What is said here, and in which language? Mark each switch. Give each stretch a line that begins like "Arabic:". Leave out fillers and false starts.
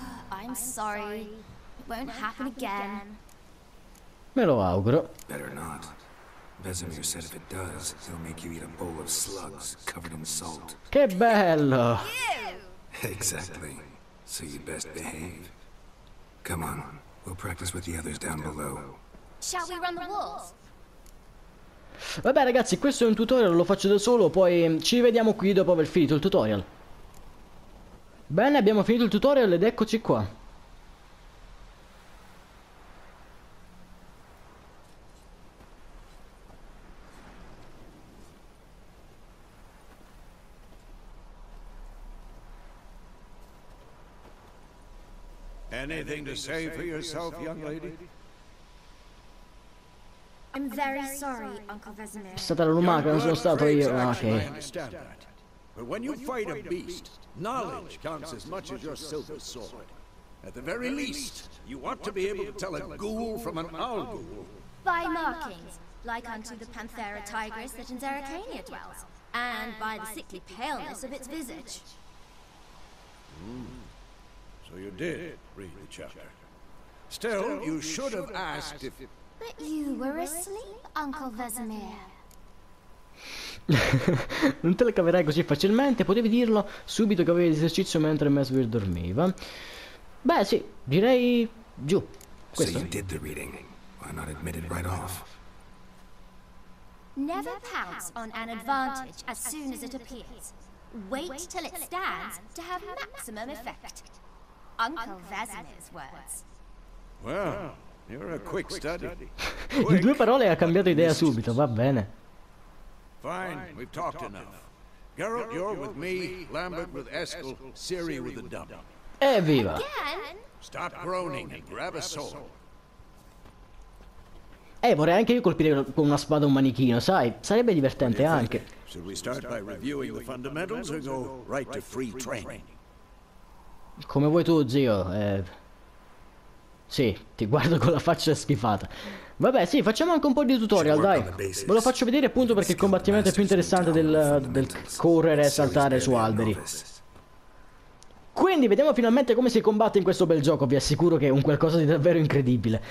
English: I'm sorry. It won't happen again.
Italian: Me lo auguro.
English: Better not. Vesemir said if it does, he'll make you eat a bowl of slugs covered in salt.
Italian: Che bello!
English: Exactly. So you best behave. Come on, we'll practice with the others down below. Shall we run the walls?
Italian: Vabbè ragazzi, questo è un tutorial, lo faccio da solo, poi ci vediamo qui dopo aver finito il tutorial. Bene, abbiamo finito il tutorial ed eccoci qua.
English: Anything to say for yourself, young lady? I'm very sorry, Uncle Vesemir.
Italian: È stata la lumaca, non sono stato io.
English: Ok. But when you fight a beast, knowledge counts as much as your silver sword. At the very least, you ought to be able to tell a ghoul from an owl ghoul. By markings, like unto the panthera tigris that in Zeracania dwells, and by the sickly paleness of its visage. So you did read the chapter. Still, you should have asked if... But you were asleep, Uncle Vesemir.
Italian: Non te la caverai così facilmente, potevi dirlo subito che avevi l'esercizio mentre Mesvir dormiva. Beh, sì, direi giù. Questo.
English: So you did the reading. Why not admit it right off? Never pounce on an advantage as soon as it appears. Wait till it stands to have maximum effect. Uncle Vesemir's words. Well, you're a quick study.
Italian: In due parole ha cambiato idea subito, va bene.
English: Fine, we've talked enough. Geralt, you're with me, Lambert with Eskel, Ciri with the dummy.
Italian: Evviva!
English: Stop groaning and grab a sword.
Italian: Vorrei anche io colpire con una spada un manichino, sai? Sarebbe divertente anche.
English: Should we start by reviewing the fundamentals or go right to free training?
Italian: Come vuoi tu, zio, Sì, ti guardo con la faccia schifata. Vabbè, sì, facciamo anche un po' di tutorial, dai. Ve lo faccio vedere appunto perché il combattimento è più interessante del correre e saltare su alberi. Quindi vediamo finalmente come si combatte in questo bel gioco. Vi assicuro che è un qualcosa di davvero incredibile.